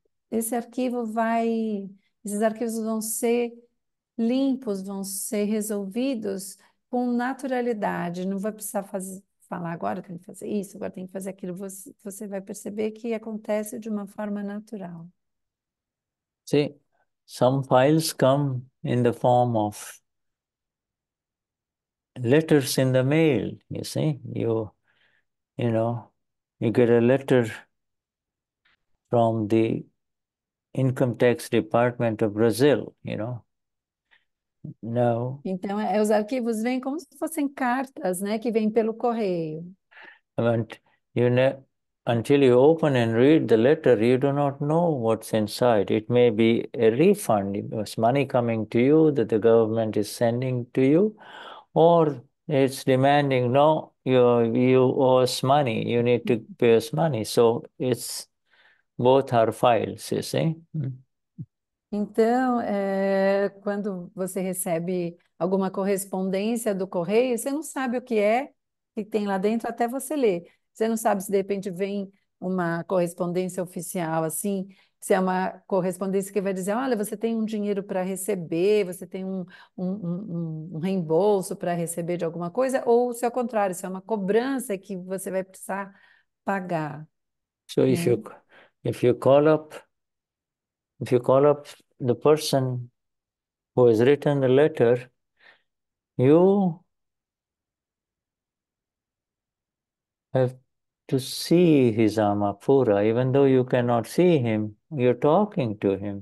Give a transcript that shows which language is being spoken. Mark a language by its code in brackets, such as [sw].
[pt] esse arquivo vai, esses arquivos vão ser limpos, vão ser resolvidos com naturalidade, não vai precisar falar agora tem que fazer isso, agora tem que fazer aquilo. Você vai perceber que acontece de uma forma natural. [en] See, some files come in the form of letters in the mail. You see, you get a letter from the income tax department of Brazil, you know. Now, [pt] Então, os arquivos vêm como se fossem cartas, né, que vêm pelo correio. [en] Until you open and read the letter, you do not know what's inside. It may be a refund, it was money coming to you that the government is sending to you, or it's demanding, no, you owe us money, you need to pay us money. So it's both are files, you see. [pt] Então, quando você recebe alguma correspondência do correio, você não sabe o que é que tem lá dentro até você ler. Você não sabe se de repente vem uma correspondência oficial assim, se é uma correspondência que vai dizer, olha, você tem um dinheiro para receber, você tem um reembolso para receber de alguma coisa, ou se é o contrário, se é uma cobrança que você vai precisar pagar, [en] So [pt] né? [en] if you call up the person who has written the letter, you have to see his Amapura, even though you cannot see him, you're talking to him.